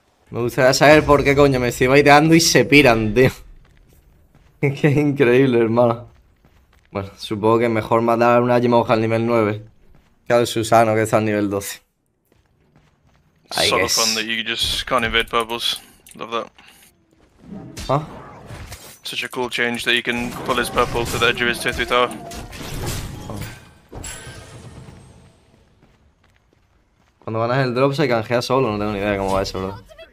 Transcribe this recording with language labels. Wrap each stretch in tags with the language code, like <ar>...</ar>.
<es>Me gustaría saber por qué coño me estoy baiteando y se piran, tío. Es que es increíble, hermano. Bueno, supongo que mejor matar a una Yemoja al nivel 9 que al Susano, que está al nivel 12. Ahí es.</es> <en>Sort of fun that you just can't evade purples. Love that. Huh? Such a cool change that you can pull his purple to the edge of his 2-3 tower.</en> <es>Cuando ganas el drop se canjea solo, no tengo ni idea cómo va eso, bro.</es>